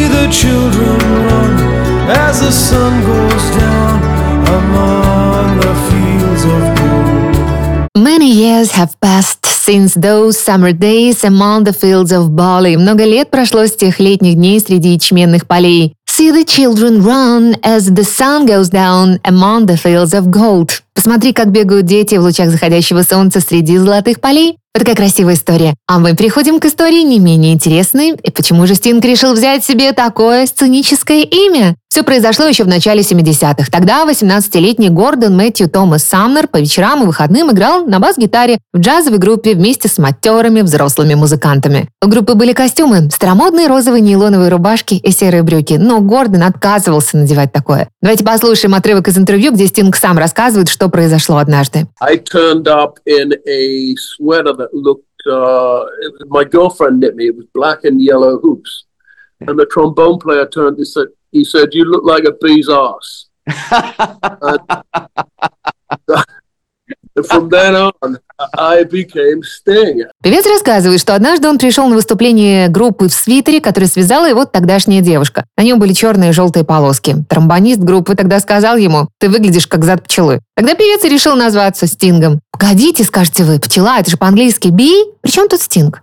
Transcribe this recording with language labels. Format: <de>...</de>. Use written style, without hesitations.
<en>Children run as the sun goes down among the fields of gold. Many years have passed since those summer days among the fields of barley.</en> <ru>Много лет прошло с тех летних дней среди ячменных полей.</ru> <en>See the children run as the sun goes down among the fields of gold.</en> <ru>Посмотри, как бегают дети в лучах заходящего солнца среди золотых полей. Вот такая красивая история. А мы переходим к истории не менее интересной. И почему же Стинг решил взять себе такое сценическое имя? Все произошло еще в начале 70-х. Тогда 18-летний Гордон Мэтью Томас Самнер по вечерам и выходным играл на бас-гитаре в джазовой группе вместе с матерыми взрослыми музыкантами. У группы были костюмы – старомодные розовые нейлоновые рубашки и серые брюки. Но Гордон отказывался надевать такое. Давайте послушаем отрывок из интервью, где Стинг сам рассказывает, что произошло однажды.</ru> <en>I turned up in a sweater that looked, my girlfriend knit me, it was black and yellow hoops. And the trombone player turned and said, he said, you look like a bee's ass. From then on, I became Sting.</en> <ru>Певец рассказывает, что однажды он пришел на выступление группы в свитере, который связала его тогдашняя девушка. На нем были черные и желтые полоски. Тромбонист группы тогда сказал ему, ты выглядишь как зад пчелы. Тогда певец решил назваться Стингом. Погодите, скажете вы, пчела, это же по-английски bee? При чем тут Sting?</ru>